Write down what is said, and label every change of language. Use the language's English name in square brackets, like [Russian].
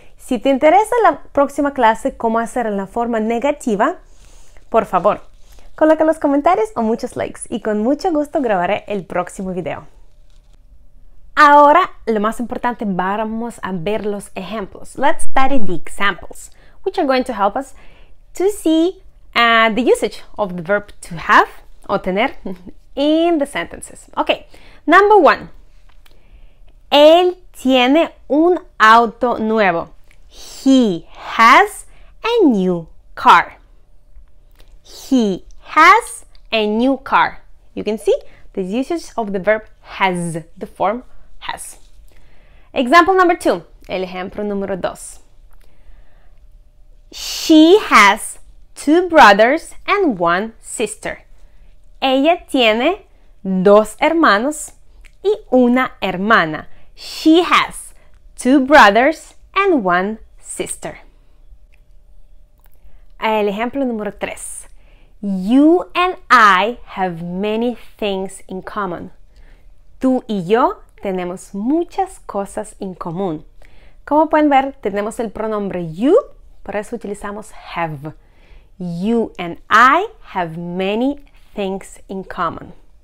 [Spanish] Si te interesa la próxima clase, cómo hacer en la forma negativa, por favor, coloca los comentarios o muchos likes y con mucho gusto grabaré el próximo video. Ahora, lo más importante, vamos a ver los ejemplos. [English] Let's study the examples, which are going to help us to see the usage of the verb to have [Spanish] o tener [English] in the sentences. Ok, number one. [Spanish] Él tiene un auto nuevo. [English] He has a new car. He has a new car. You can see the usage of the verb has, the form has. Example number two. [Spanish] El ejemplo número dos. [English] She has two brothers and one sister. [Spanish] Ella tiene dos hermanos y una hermana. [English] She has two brothers and one sister. [Spanish] El ejemplo número 3. [English] You and I have many things in common. [Spanish] Tú y yo tenemos muchas cosas en común. Como pueden ver, tenemos el pronombre you, por eso utilizamos have. [English] You and I have many things in common.